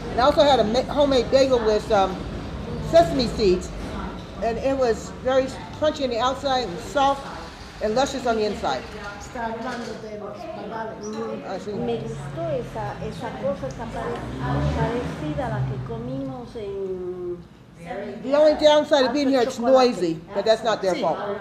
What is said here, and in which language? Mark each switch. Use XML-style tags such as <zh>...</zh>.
<en>And I also had a homemade bagel with sesame seeds, and it was very crunchy on the outside and soft and luscious on the inside.</en> <es>Me gustó esa cosa, esa parecida a la que comimos en...</es> <en>The only downside of being here, it's noisy, but that's not their fault.</en>